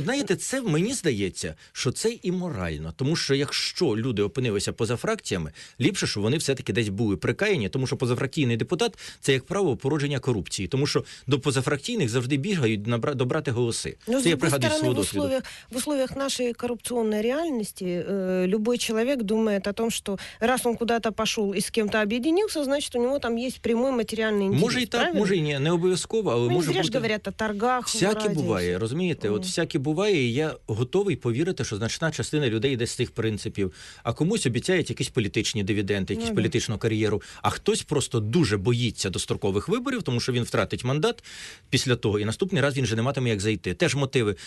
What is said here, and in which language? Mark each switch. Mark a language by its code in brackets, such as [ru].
[uk] Знаєте, це мені здається, що це і морально. Тому що якщо люди опинилися поза фракціями, ліпше, щоб вони все-таки десь були прикаяні, тому що позафракційний депутат – це як право породження корупції. Тому що до позафракційних завжди бігають добрати голоси. Но, це я пригадую свого досвіду. [ru] В условиях [uk] нашої корупційної реальності [ru] любой человек думает о том, что раз он куда-то пошел и с кем-то объединился, значит, у него там есть прямой материальный интерес. Может и так, правильно? Может и [uk] не обов'язково, але може бути. Ми зря говорять о торгах. Всяке буває, розумієте? От всяке буває, і я готовий повірити, що значна частина людей йде з тих принципів. А комусь обіцяють якісь політичні дивіденди, якісь політичну кар'єру, а хтось просто дуже боїться дострокових виборів, тому що він втратить мандат після того, і наступний раз він вже не матиме як зайти. Теж мотиви.